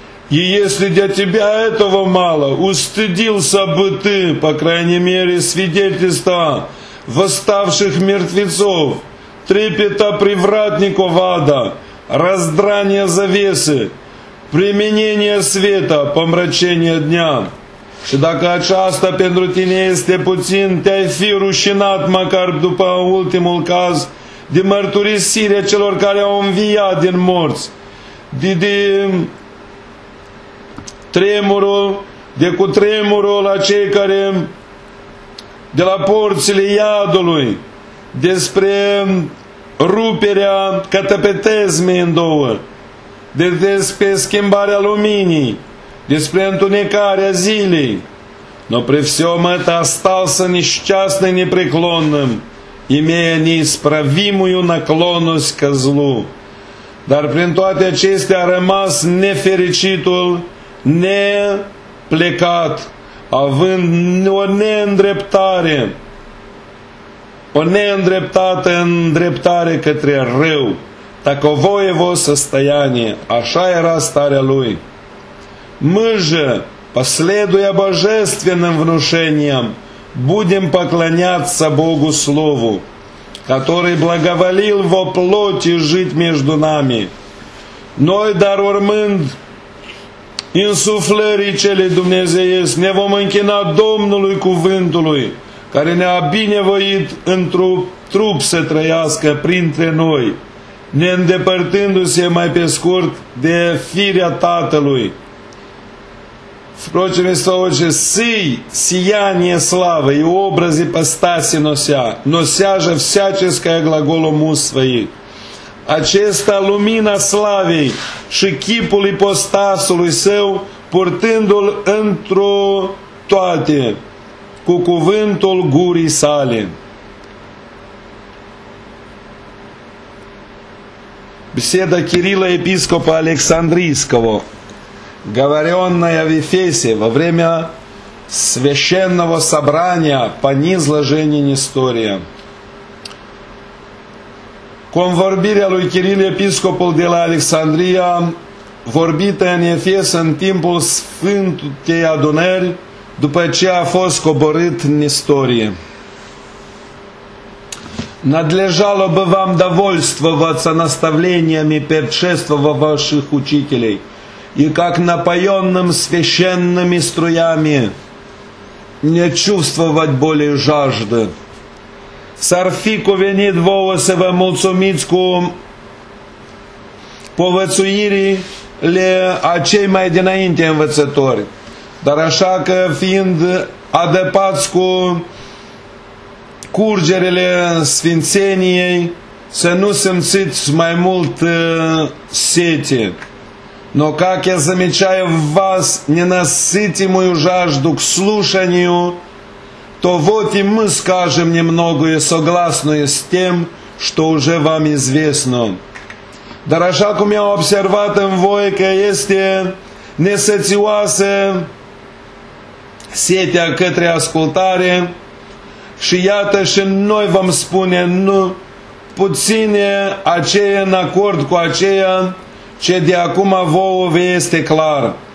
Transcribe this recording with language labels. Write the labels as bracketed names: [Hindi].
[Russian] И если для тебя этого мало, устыдился бы ты, по крайней мере, свидетельства восставших мертвецов, трепета привратников ада, раздрания завесы, применения света, помрачения дня. [Romanian] Și dacă aceasta pentru tine este puțin, te-ai fi rușinat, măcar după ultimul caz, de mărturisirea celor care au înviat din morți, de tremurul, de cutremurul la cei care de la porțile iadului, despre ruperea catapetezmei în două, despre schimbarea luminii, despre întunecarea zilei. [Russian] Но при всем это остался несчастный непреклонным, имея неисправимую наклонность ко злу. [Romanian] Dar prin toate acestea a rămas nefericitul, neplecat, având o neîndreptare, o neîndreptată îndreptare către rău, [Russian] таковое его состояние, [Romanian] așa era starea lui. [Russian] Мы же, последуя божественным внушениям, будем поклоняться Богу Слову, который благоволил во плоти жить между нами. [Romanian] Noi, dar urmând insuflării cele dumnezeiesc, ne vom închina Domnului Cuvântului, care ne-a binevoit într-un trup să trăiască printre noi, ne îndepărtându-se mai pe scurt de firea Tatălui. [Russian] Впрочем, слово «сый» — сияние славы и образ ипостаси нося, нося же всяческое глаголом уст своих. [Romanian] Acesta lumina slavei și chipul ipostasului său, purtându-l într-o toate, cu cuvântul gurii sale. [Russian] Беседа Кирилла епископа Александрийского, говоренная в Ефесе во время священного собрания по низложению Нестория. [Romanian] Convorbirea lui Kiril, episcopul de la Alexandria, vorbită în Efes în timpul Sfântei Adunări, după ce a fost coborât în istorie. [Russian] Надлежало бы вам довольствоваться наставлениями предшествовавших учителей и как напоенным священными струями не чувствовать более жажды. [Romanian] S-ar fi cuvenit vouă să vă mulțumiți cu povățuirile a cei mai dinainte învățători, Dar așa că fiind adăpați cu curgerele sfințeniei, să nu simțiți mai mult sete. [Russian] Но как я замечаю в вас ненасытимую жажду к слушанию, то вот и мы скажем немного и согласную с тем, что уже вам известно. [Romanian] Dar așa cum i-am observat în voi că este nesățioasă setea către ascultare, și iată și noi vom spune nu puține aceea în acord cu aceea ce de acum vouă vă este clar.